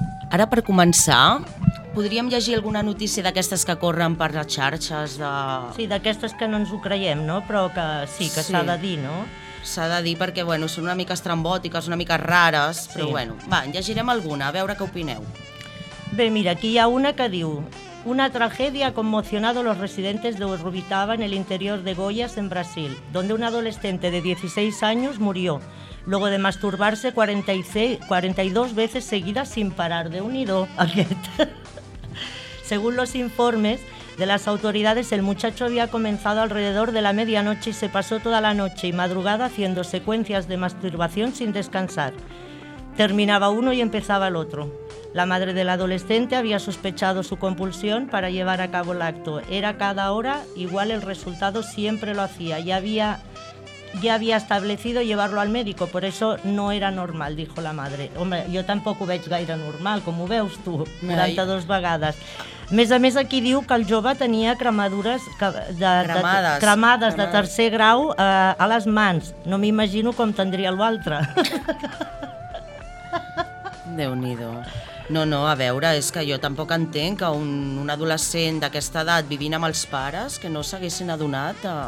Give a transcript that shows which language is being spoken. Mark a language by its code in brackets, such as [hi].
[ca] Ara, per començar, podríem llegir alguna notícia d'aquestes que corren per les xarxes de... Sí, d'aquestes que no ens ho creiem, no? Però que sí, que s'ha de dir, no? S'ha de dir perquè, bueno, són una mica estrambòtiques, una mica rares, però bueno. Va, llegirem alguna, a veure què opineu. Bé, mira, aquí hi ha una que diu: [es] una tragedia ha conmocionado a los residentes de Urubitaba en el interior de Goiás, en Brasil, donde un adolescente de 16 años murió luego de masturbarse 42 veces seguidas sin parar. De unido a según los informes de las autoridades, el muchacho había comenzado alrededor de la medianoche y se pasó toda la noche y madrugada haciendo secuencias de masturbación sin descansar. Terminaba uno y empezaba el otro. La madre del adolescente había sospechado su compulsión para llevar a cabo el acto. Era cada hora igual, el resultado siempre lo hacía. Ya había establecido llevarlo al médico, por eso no era normal, dijo la madre. [ca] Hombre, jo tampoc ho veig gaire normal, com ho veus tu, 42 vegades. Més a més, aquí diu que el jove tenia cremadures cremades de tercer grau a les mans. No m'imagino com tindria l'altre. Déu-n'hi-do. No, a veure, és que jo tampoc entenc que un adolescent d'aquesta edat vivint amb els pares, que no s'haguessin adonat,